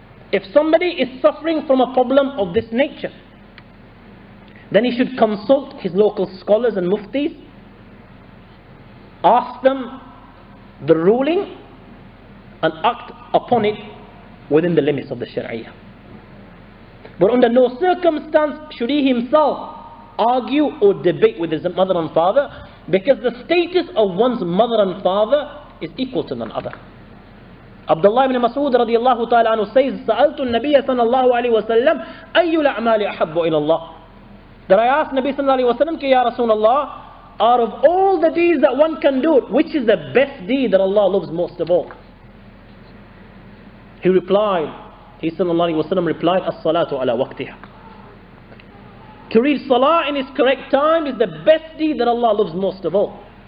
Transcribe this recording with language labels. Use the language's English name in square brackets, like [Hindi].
[English] If somebody is suffering from a problem of this nature, then he should consult his local scholars and muftis, ask them the ruling, and act upon it within the limits of the Sharia. But under no circumstance should he himself argue or debate with his mother and father, because the status of one's mother and father is equal to none other. [Arabic] Abdullah ibn Mas'ud radiyallahu ta'ala anhu says, سَأَلْتُ النَّبِيَ صَلَى اللَّهُ عَلَيْهِ وَسَلَّمْ أَيُّ الْأَعْمَالِ أَحَبُّ إِلَى اللَّهِ. [English] That I asked Nabi sallallahu alayhi wa sallam, Ya Rasulullah, out of all the deeds that one can do, which is the best deed that Allah loves most of all? He replied, he sallallahu alayhi wa sallam replied, [Arabic] As-salatu ala waqtiha. [English] To read salah in its correct time is the best deed that Allah loves most of all.